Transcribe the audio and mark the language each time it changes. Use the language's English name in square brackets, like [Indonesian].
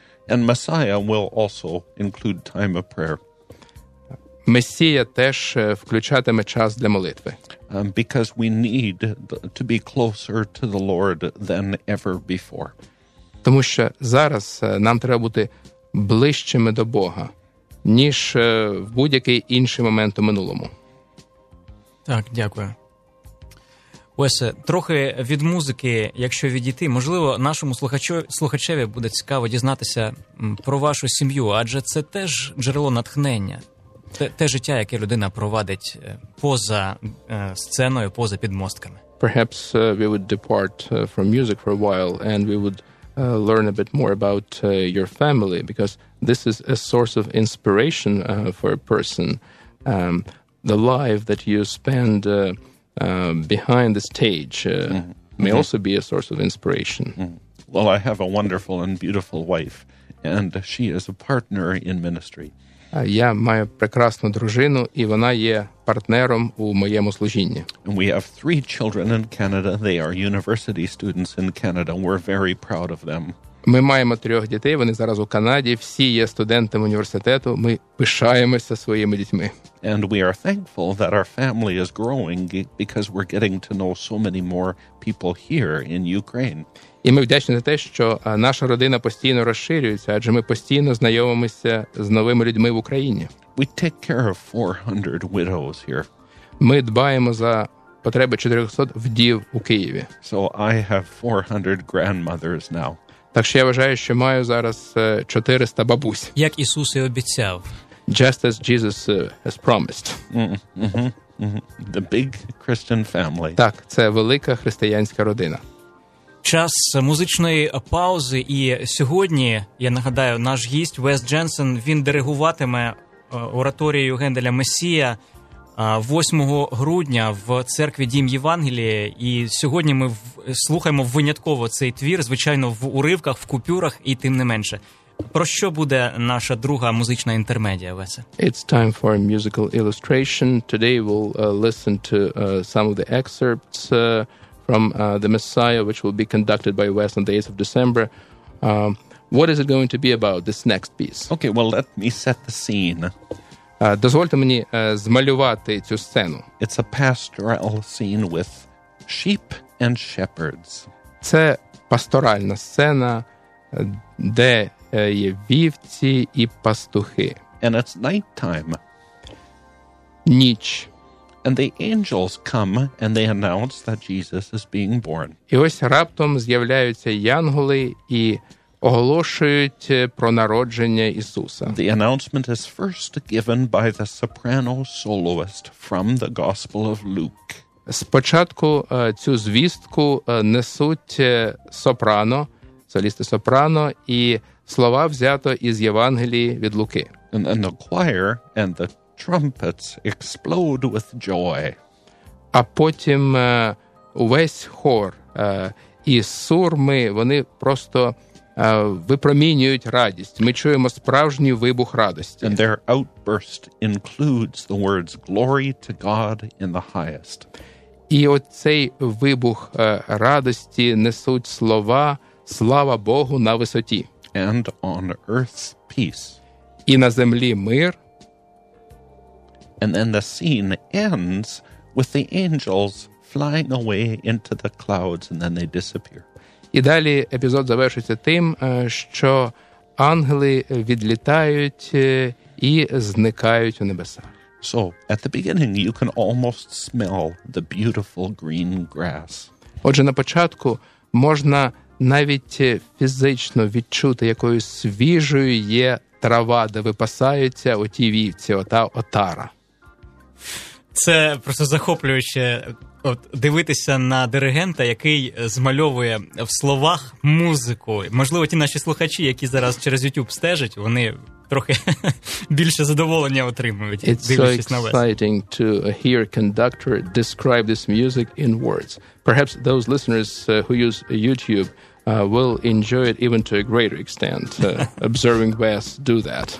[English] And Messiah will also include time of prayer. [Ukrainian] Месія теж включатиме час для молитви. [English] Because we need to be closer to the Lord than ever before. [Ukrainian] Тому що зараз нам треба бути ближчими до Бога, ніж в будь-який інший момент у минулому. Так, дякую. Осе, трохи від музики, якщо відійти, можливо, нашому слухачеві буде цікаво дізнатися про вашу сім'ю, адже це теж джерело натхнення, те життя, яке людина провадить поза сценою, поза підмостками. [English] Perhaps we would depart from music for a while and we would learn a bit more about your family, because this is a source of inspiration for a person. The life that you spend behind the stage may also be a source of inspiration. Mm-hmm. Well, I have a wonderful and beautiful wife, and she is a partner in ministry. [Ukrainian] Я маю прекрасну дружину, і вона є партнером у моєму служінні. [English] And we have three children in Canada. They are university students in Canada. We're very proud of them. [Ukrainian] Ми маємо трьох дітей, вони зараз у Канаді, всі є студентами університету. Ми пишаємося своїми дітьми. [English] And we are thankful that our family is growing, because we're getting to know so many more people here in Ukraine. [Ukrainian] І ми вдячні за те, що наша родина постійно розширюється, адже ми постійно знайомимося з новими людьми в Україні. [English] We take care of 400 widows here. [Ukrainian] Ми дбаємо за потреби 400 вдів у Києві. [English] So I have 400 grandmothers now. [Ukrainian] Так що я вважаю, що маю зараз 400 бабусь. Як Ісус і обіцяв. [English] Just as Jesus has promised. The big Christian family. [Ukrainian] Так, це велика християнська родина. Час музичної паузи, і сьогодні, я нагадаю, наш гість Вес Дженсен, він диригуватиме ораторією Генделя «Месія» 8 грудня в церкві Дім Євангелія, і сьогодні ми слухаємо винятково цей твір, звичайно, в уривках, в купюрах, і тим не менше. Про що буде наша друга музична інтермедія, Весе? [English] It's time for a musical illustration. Today we'll listen to some of the excerpts from the Messiah, which will be conducted by Wes on the 8th of December. What is it going to be about, this next piece? Okay, well, let me set the scene. [Ukrainian] Дозвольте мені змалювати цю сцену. [English] It's a pastoral scene with sheep and shepherds. [Ukrainian] Це пасторальна сцена, де є вівці і пастухи. [English] And it's nighttime. [Ukrainian] Ніч. [English] And the angels come and they announce that Jesus is being born. [Ukrainian] І ось раптом з'являються янголи і оголошують про народження Ісуса. [English] The announcement is first given by the soprano soloist from the Gospel of Luke. [Ukrainian] Спочатку цю звістку несуть сопрано, солісти сопрано, і слова взято із Євангелії від Луки. [English] And the choir and the trumpets explode with joy. [Ukrainian] А потім увесь хор і сурми, вони просто випромінюють радість. Ми чуємо справжній вибух радості. [English] And their outburst includes the words "Glory to God in the highest". [Ukrainian] І оцей вибух радості несуть слова "Слава Богу на висоті". [English] And on earth peace. [Ukrainian] І на землі мир. [English] And then the scene ends with the angels flying away into the clouds and then they disappear. [Ukrainian] І далі епізод завершується тим, що ангели відлітають і зникають у небесах. [English] So, at the beginning you can almost smell the beautiful green grass. [Ukrainian] Отже, на початку можна навіть фізично відчути, якою свіжою є трава, де випасаються оті вівці, ота отара. Це просто захоплююче, от дивитися на диригента, який змальовує в словах музику. Можливо, ті наші слухачі, які зараз через YouTube стежать, вони трохи більше задоволення отримують, [English] It's [Ukrainian] дивлячись [English] so [Ukrainian] на вас. [English] It's exciting to hear a conductor describe this music in words. Perhaps those listeners who use YouTube will enjoy it even to a greater extent, observing Wes do that.